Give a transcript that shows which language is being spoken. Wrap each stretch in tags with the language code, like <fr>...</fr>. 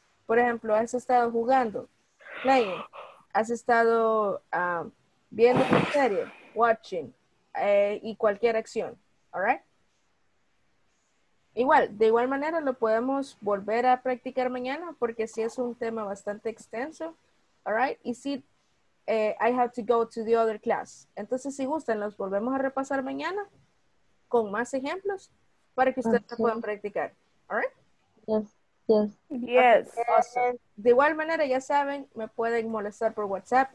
<es>Por ejemplo, ¿has estado jugando?</es> <en>Playing.</en> <es>¿Has estado viendo una serie?</es> <en>Watching.</en> <es>Y cualquier acción.</es> <en>All right?</en> <es>Igual, de igual manera lo podemos volver a practicar mañana porque sí es un tema bastante extenso.</es> <en>All right?</en> <es>Y sí,</es> <en>I have to go to the other class.</en> <es>Entonces, si gustan, los volvemos a repasar mañana con más ejemplos para que ustedes okay. puedan practicar.</es> <en>All right? Yes, yes. Yes. Okay. Awesome.</en> <es>De igual manera, ya saben, me pueden molestar por WhatsApp.</es>